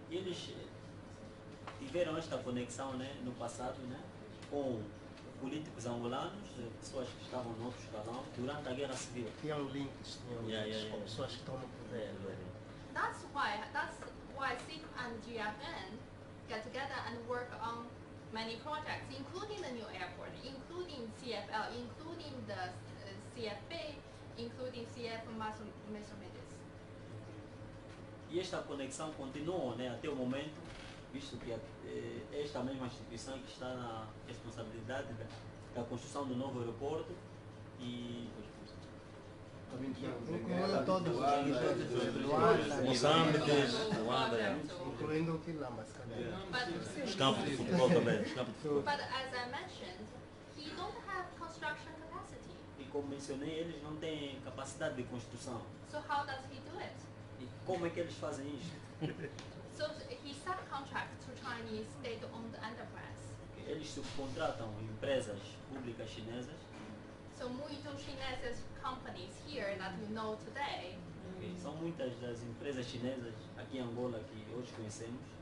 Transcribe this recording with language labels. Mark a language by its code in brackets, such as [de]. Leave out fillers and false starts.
[pt] Eles tiveram esta conexão, né, no passado, né, com políticos angolanos, pessoas que estavam no outro escalão, durante a Guerra Civil. Tinham links com pessoas que estão no poder. [en] That's why CIF and GFN get together and work on many projects, including the new airport, including CFL, including the CFB, including CF Mesomedes. [pt] E esta conexão continuou, né, até o momento, visto que esta mesma instituição que está na responsabilidade da construção do novo aeroporto e caminho incluindo todos os países, Moçambique, Luanda, incluindo o Quilambas, os campos de futebol também, os campos de futebol. [en] But as I mentioned, he don't have construction capacity. [pt] E como mencionei, eles não têm capacidade de construção. [en] So how does he do it? [pt] E como é que eles fazem isso? [en] So he subcontracts to Chinese state-owned enterprise. [pt] Eles subcontratam empresas públicas chinesas. [en] So [pt] muito chineses [en] companies here that we know today. Okay. [pt] São muitas das empresas chinesas aqui em Angola que hoje conhecemos.